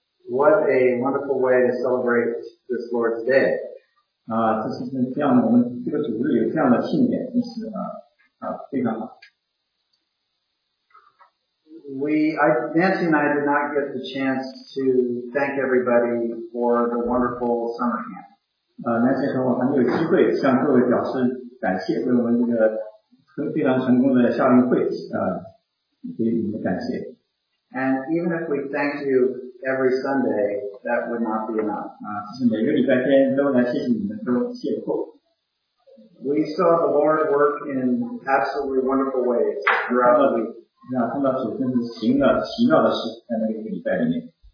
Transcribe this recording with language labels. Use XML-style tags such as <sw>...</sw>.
<en>What a wonderful way to celebrate this Lord's Day.</en> <zh>这是这样的，我们这个主日有这样的庆典，真是非常好。Nancy</zh> <en>and I did not get the chance to thank everybody for the wonderful summer camp.</en> <zh>Nancy 和我还没有机会向各位表示感谢，为我们这个非常成功的夏令会，给你们感谢。</zh> <en>And even if we thank you every Sunday, that would not be enough. We saw the Lord work in absolutely wonderful ways throughout the week.</en>